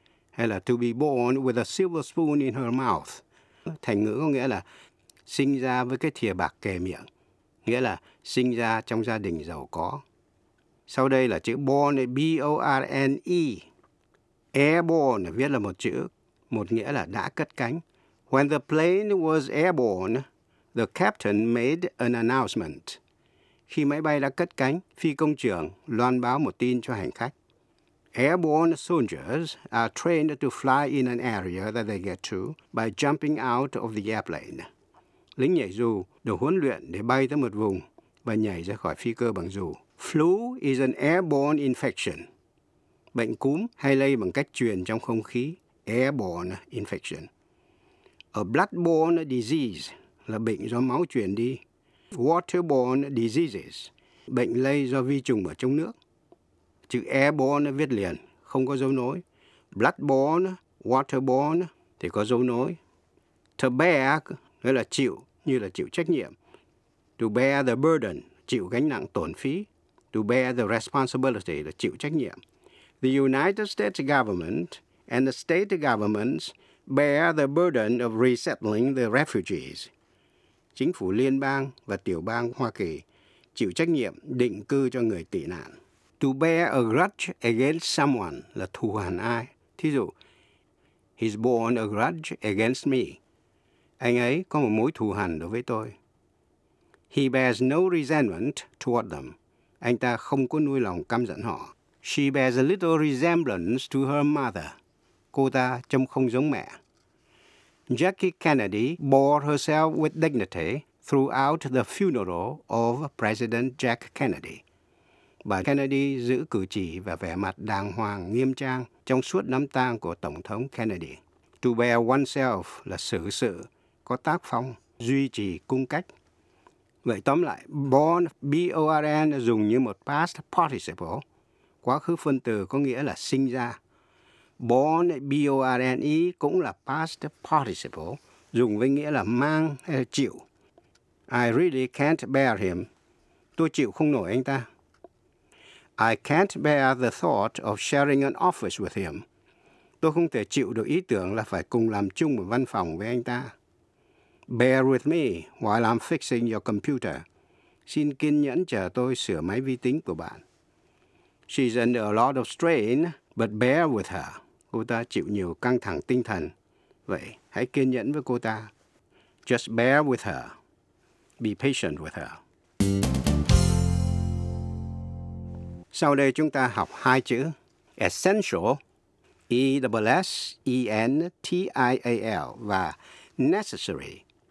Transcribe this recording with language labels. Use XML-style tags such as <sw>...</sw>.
<vi>Hay là</vi> <en>to be born with a silver spoon in her mouth.</en> <vi>Thành ngữ có nghĩa là sinh ra với cái thìa bạc kề miệng. Nghĩa là sinh ra trong gia đình giàu có. Sau đây là chữ born, B-O-R-N-E. Airborne viết là một chữ, một nghĩa là đã cất cánh.</vi> <en>When the plane was airborne, the captain made an announcement.</en> <vi>Khi máy bay đã cất cánh, phi công trưởng loan báo một tin cho hành khách.</vi> <en>Airborne soldiers are trained to fly in an area that they get to by jumping out of the airplane.</en> <vi>Lính nhảy dù được huấn luyện để bay tới một vùng và nhảy ra khỏi phi cơ bằng dù.</vi> <en>Flu is an airborne infection.</en> <vi>Bệnh cúm hay lây bằng cách truyền trong không khí.</vi> <en>Airborne infection. A bloodborne disease</en> <vi>là bệnh do máu truyền đi.</vi> <en>Waterborne diseases,</en> <vi>bệnh lây do vi trùng ở trong nước. Chữ airborne viết liền, không có dấu nối. Bloodborne, waterborne thì có dấu nối. To bear, nghĩa là chịu, như là chịu trách nhiệm.</vi> <en>To bear the burden,</en> <vi>chịu gánh nặng tổn phí.</vi> <en>To bear the responsibility,</en> <vi>là chịu trách nhiệm.</vi> <en>The United States government and the state governments bear the burden of resettling the refugees.</en> <vi>Chính phủ liên bang và tiểu bang Hoa Kỳ chịu trách nhiệm định cư cho người tị nạn.</vi> <en>To bear a grudge against someone</en> <vi>là thù hằn ai. Thí dụ,</vi> <en>he's borne a grudge against me.</en> <vi>Anh ấy có một mối thù hằn đối với tôi.</vi> <en>He bears no resentment toward them.</en> <vi>Anh ta không có nuôi lòng căm giận họ.</vi> <en>She bears a little resemblance to her mother.</en> <vi>Cô ta trông không giống mẹ.</vi> <en>Jackie Kennedy bore herself with dignity throughout the funeral of President Jack Kennedy.</en> <vi>Bà Kennedy giữ cử chỉ và vẻ mặt đàng hoàng, nghiêm trang trong suốt đám tang của Tổng thống Kennedy.</vi> <en>To bear oneself</en> <vi>là xử sự, có tác phong, duy trì cung cách. Vậy tóm lại, born, B-O-R-N dùng như một past participle, quá khứ phân từ có nghĩa là sinh ra. Born, B-O-R-N-E cũng là past participle, dùng với nghĩa là mang hay là chịu.</vi> <en>I really can't bear him.</en> <vi>Tôi chịu không nổi anh ta.</vi> <en>I can't bear the thought of sharing an office with him.</en> <vi>Tôi không thể chịu được ý tưởng là phải cùng làm chung một văn phòng với anh ta.</vi> <en>Bear with me while I'm fixing your computer.</en> <vi>Xin kiên nhẫn chờ tôi sửa máy vi tính của bạn.</vi> <en>She's under a lot of strain, but bear with her.</en> <vi>Cô ta chịu nhiều căng thẳng tinh thần. Vậy, hãy kiên nhẫn với cô ta.</vi> <en>Just bear with her. Be patient with her.</en> <vi>Sau đây chúng ta học hai chữ. Essential, E-S-S-E-N-T-I-A-L và necessary,</vi>